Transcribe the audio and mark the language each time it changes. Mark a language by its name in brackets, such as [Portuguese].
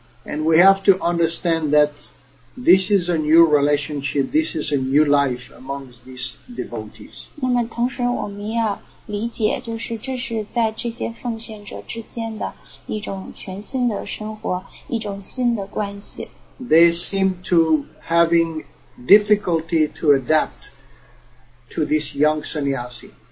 [English] And we have to understand that this is a new relationship, this is a new life amongst these devotees. [Chinese] 那么同时我们要理解，就是这是在这些奉献者之间的一种全新的生活，一种新的关系。 [English] They seem to having difficulty to adapt to this young sannyasi.